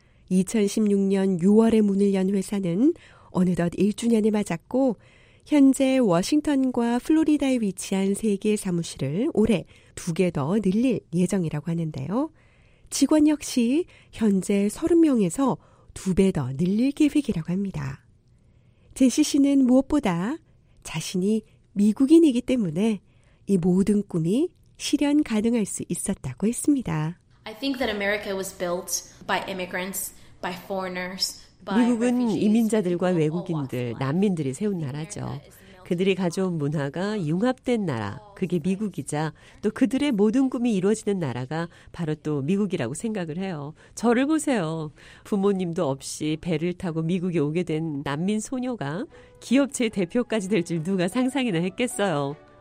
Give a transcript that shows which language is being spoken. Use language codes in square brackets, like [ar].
[ko] 2016년 6월에 문을 연 회사는 어느덧 1주년을 맞았고 현재 워싱턴과 플로리다에 위치한 세 개의 사무실을 올해 두 개 더 늘릴 예정이라고 하는데요. 직원 역시 현재 30명에서 두 배 더 늘릴 계획이라고 합니다. 제시 씨는 무엇보다 자신이 미국인이기 때문에 이 모든 꿈이 실현 가능할 수 있었다고 했습니다. [en] I think that America was built by immigrants, by foreigners. [ko] 미국은 이민자들과 외국인들, 난민들이 세운 나라죠. 그들이 가져온 문화가 융합된 나라, 그게 미국이자 또 그들의 모든 꿈이 이루어지는 나라가 바로 또 미국이라고 생각을 해요. 저를 보세요. 부모님도 없이 배를 타고 미국에 오게 된 난민 소녀가 기업체 대표까지 될 줄 누가 상상이나 했겠어요.